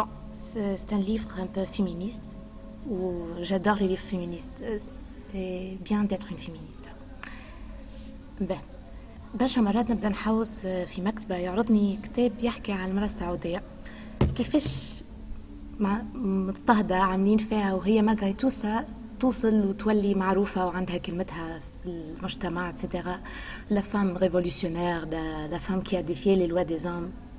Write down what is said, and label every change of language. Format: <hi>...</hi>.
<fr>C'est un livre un peu féministe, ou j'adore les livres féministes. C'est bien d'être une féministe.</fr> <ar>Ben, باش مرات نبدا نحوس في مكتبة يعرضني كتاب يحكي عن المرأة السعودية، كيفاش مضطهدة عاملين فيها وهي ما قايتوسا توصل وتولي معروفة وعندها كلمتها في المجتمع etc.</ar> <fr>La femme révolutionnaire, la femme qui a défié les lois des hommes.</fr>